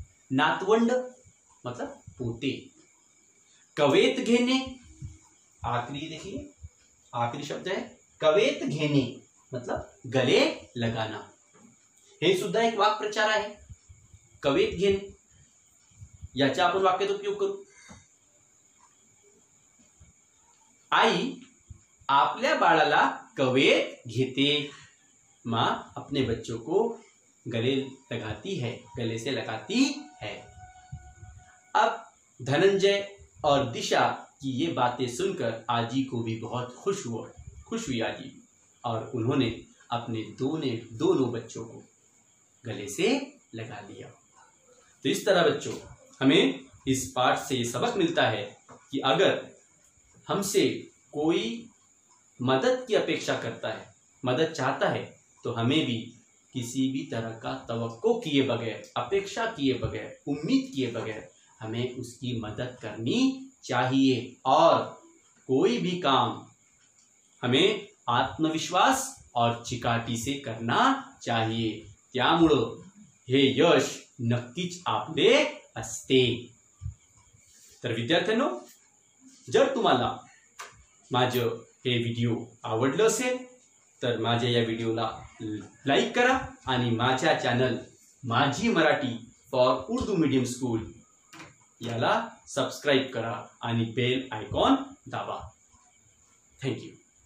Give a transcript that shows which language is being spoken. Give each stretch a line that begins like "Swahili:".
Hindi: नातवंड मतलब पोते, कवेत घेणे आखरी, देखिए आखरी शब्द है कवेत घेणे मतलब गले लगाना,
Marathi: हे सुद्धा एक वाक प्रचार आहे कवेत घेणे, याचा आपण वाक्यात उपयोग करू। आई आपल्या बाळाला कवेत घेते,
Hindi: माँ अपने बच्चों को गले से लगाती है। अब धनंजय और दिशा की ये बातें सुनकर आजी को भी बहुत खुश हुई आजी, और उन्होंने अपने दोनों बच्चों को गले से लगा लिया। तो इस तरह बच्चों हमें इस पाठ से ये सबक मिलता है कि अगर हमसे कोई मदद की अपेक्षा करता है, मदद चाहता है, तो हमें भी किसी भी तरह का तवक्को किए बगैर, अपेक्षा किए बगैर, उम्मीद किए बगैर हमें उसकी मदद करनी चाहिए। और कोई भी काम हमें आत्मविश्वास और चिकाटी से करना चाहिए,
Marathi: त्यामुळे हे यश नक्कीच आपले असते। तर विद्यार्थ्यांनो जर तुम्हाला माझं हे व्हिडिओ आवडलं असेल तर माझ्या या व्हिडिओला लाईक करा आणि माझ्या चॅनल माझी Marathi for Urdu medium school याला सबस्क्राईब करा आणि बेल आयकॉन दाबा। थँक्यू।